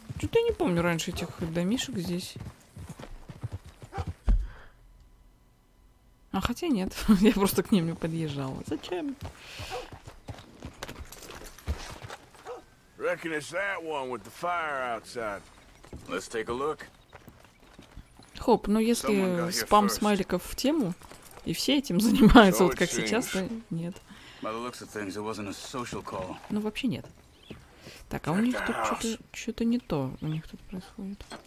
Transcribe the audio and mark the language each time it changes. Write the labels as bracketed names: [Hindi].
[Russian] Я не помню раньше этих домишек здесь. А хотя нет, я просто к ним не подъезжала. Зачем? [English] Reckon it's that one with the fire outside. Let's take a look. [Russian] Хоп, ну если спам смайликов в тему, и все этим занимаются, вот как сейчас, то нет. [English] By the looks of things, it wasn't a social call. [Russian] Ну вообще нет. Так, а у них тут что-то не то у них тут происходит.